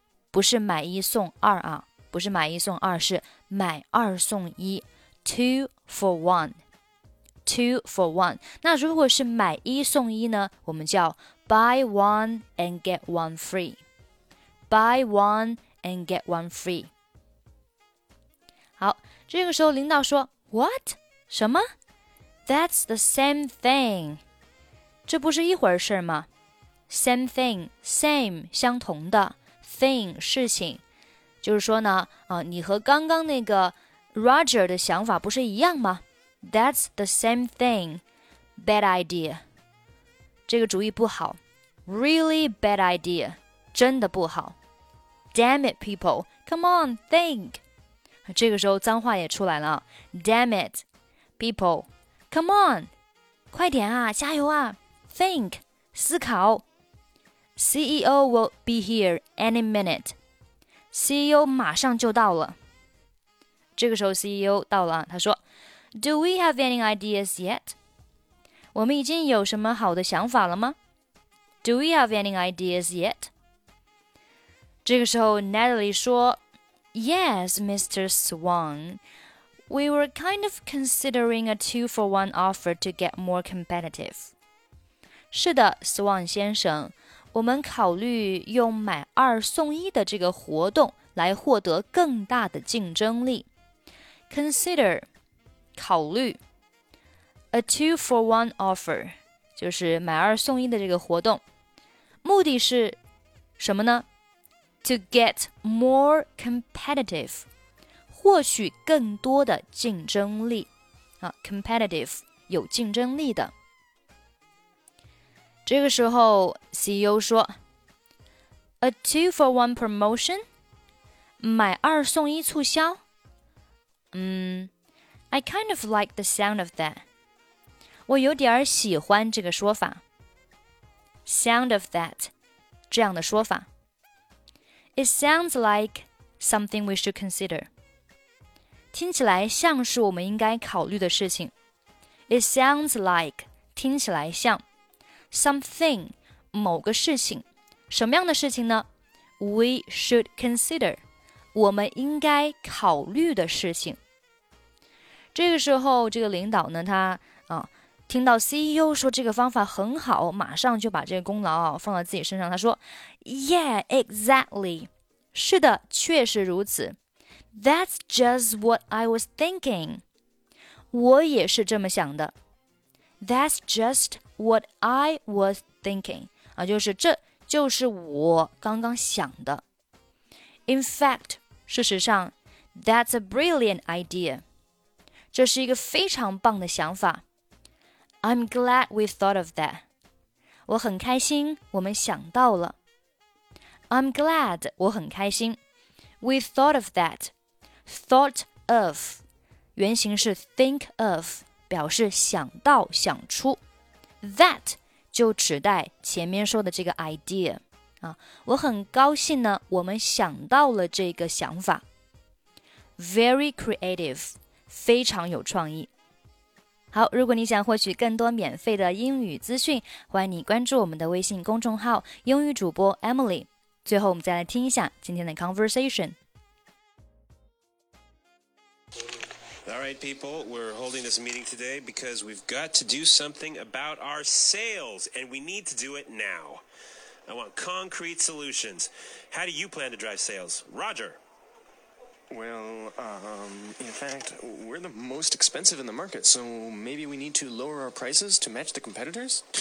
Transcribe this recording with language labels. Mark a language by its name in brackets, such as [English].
[Chinese] 不是买一送二啊不是买一送二是买二送一 2-for-1 那如果是买一送一呢我们叫 [English] Buy one and get one free. Buy one and get one free. [Chinese] 好，这个时候领导说 [English] What? [Chinese] 什么 [English] That's the same thing. [Chinese] 这不是一回事吗 [English] Same thing, same, [Chinese] 相同的 [English] thing, [Chinese] 事情。就是说呢、你和刚刚那个 Roger 的想法不是一样吗 [English] That's the same thing. Bad idea. [Chinese] 这个主意不好 [English] Really bad idea [Chinese] 真的不好 [English] Damn it people Come on think [Chinese] 这个时候脏话也出来了 [English] Damn it people Come on [Chinese] 快点啊加油啊 [English] Think [Chinese] 思考 [English] CEO will be here any minute [Chinese] CEO 马上就到了这个时候 CEO 到了他说 [English] Do we have any ideas yet? [Chinese] 我们已经有什么好的想法了吗 [English] Do we have any ideas yet? [Chinese] 这个时候 Natalie 说 [English] Yes, Mr. Swan. We were kind of considering a 2-for-1 offer to get more competitive. [Chinese] 是的 Swan 先生我们考虑用买二送一的这个活动来获得更大的竞争力 [English] Consider [Chinese] 考虑 [English] A 2-for-1 offer, [Chinese] 就是买二送一的这个活动。目的是什么呢 ? [English] To get more competitive, [Chinese] 获取更多的竞争力、啊、competitive 有竞争力的。这个时候 CEO 说 [English] A two for one promotion? [Chinese] 买二送一促销、 [English] I kind of like the sound of that. [Chinese] 我有点喜欢这个说法。 [English] Sound of that, [Chinese] 这样的说法。 [English] It sounds like something we should consider. [Chinese] 听起来像是我们应该考虑的事情。 [English] It sounds like, [Chinese] 听起来像。 [English] Something, [Chinese] 某个事情。什么样的事情呢? [English] We should consider, [Chinese] 我们应该考虑的事情。这个时候这个领导呢他、啊、听到 CEO 说这个方法很好马上就把这个功劳、啊、放到自己身上他说 [English] Yeah, exactly. [Chinese] 是的确实如此。 [English] That's just what I was thinking. [Chinese] 我也是这么想的。 [English] That's just what I was thinking.、 [Chinese] 啊、就是这就是我刚刚想的。 [English] In fact, [Chinese] 事实上 [English] that's a brilliant idea. [Chinese] 这是一个非常棒的想法。 [English] I'm glad we thought of that. [Chinese] 我很开心我们想到了。 [English] I'm glad, [Chinese] 我很开心。 [English] We thought of that. Thought of, [Chinese] 原型是 [English] think of, [Chinese] 表示想到想出。 That 就指代前面说的这个 idea.、啊、我很高兴呢我们想到了这个想法。 [English] Very creative. [Chinese] 非常有创意。好，如果你想获取更多免费的英语资讯，欢迎你关注我们的微信公众号“英语主播 Emily”。最后，我们再来听一下今天的 conversation。 [English] All right, people, we're holding this meeting today because we've got to do something about our sales, and we need to do it now. I want concrete solutions. How do you plan to drive sales, Roger? Well, in fact, we're the most expensive in the market, so maybe we need to lower our prices to match the competitors?